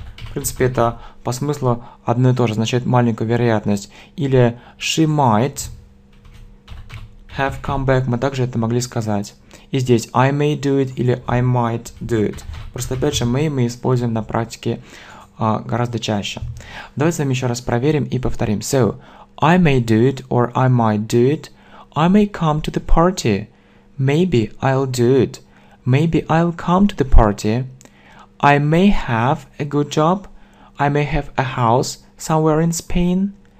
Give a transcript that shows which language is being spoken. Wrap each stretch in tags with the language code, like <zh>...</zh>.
<ru>В принципе, это по смыслу одно и то же, означает маленькую вероятность. Или</ru> <en>she might have come back,</en> <ru>мы также это могли сказать. И здесь</ru> <en>I may do it</en> <ru>или</ru> <en>I might do it.</en> <ru>Просто, опять же, may мы используем на практике гораздо чаще. Давайте с вами еще раз проверим и повторим.</ru> <en>So, I may do it or I might do it. I may come to the party. Maybe I'll do it. Maybe I'll come to the party. I may have a good job. I may have a house somewhere in Spain.</en>